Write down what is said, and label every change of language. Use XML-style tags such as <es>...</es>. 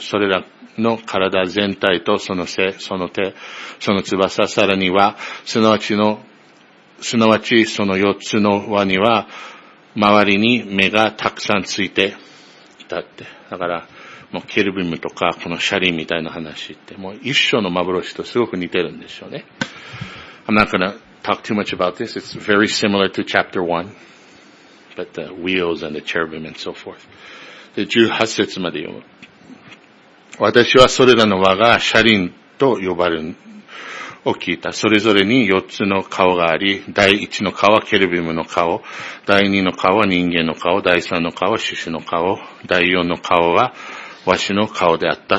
<ja>それらの体全体とその背、その手、その翼、さらには、すなわちその四つの輪には、周りに目がたくさんついていたって。だから、もうケルビムとか、このシャリンみたいな話って、もう一生の幻とすごく似てるんですよね。</ja> <en>I'm not gonna talk too much about this. It's very similar to chapter 1. But the wheels and the cherubim and so forth.</en> <ja>で、18節まで読む。私はそれらの輪がシャリンと呼ばれるを聞いた。それぞれに四つの顔があり、第一の顔はケルビムの顔、第二の顔は人間の顔、第三の顔は獅子の顔、第四の顔はワシの顔であった。</ja>